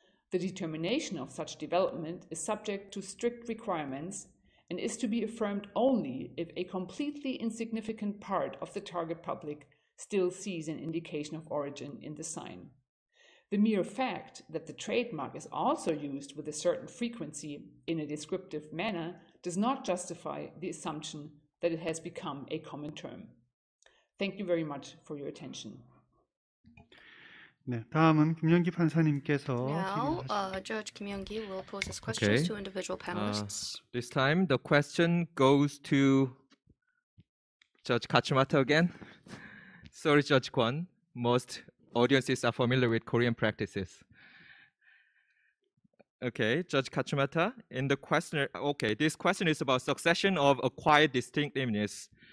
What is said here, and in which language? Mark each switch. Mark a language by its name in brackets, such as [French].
[English] The determination of such development is subject to strict requirements and is to be affirmed only if a completely insignificant part of the target public still sees an indication of origin in the sign. The mere fact that the trademark is also used with a certain frequency in a descriptive manner does not justify the assumption that it has become a common term. Thank you very much for your attention. [Korean] 네, 다음은 김연기 판사님께서 [English] Now, Judge Kim Yeon-gi will pose his questions okay. to individual panelists. This time, the question goes to Judge Katsumata again. Sorry, Judge Kwon. Most audiences are familiar with Korean practices. Okay, Judge Katsumata, in the question, okay, this question is about succession of acquired distinctiveness.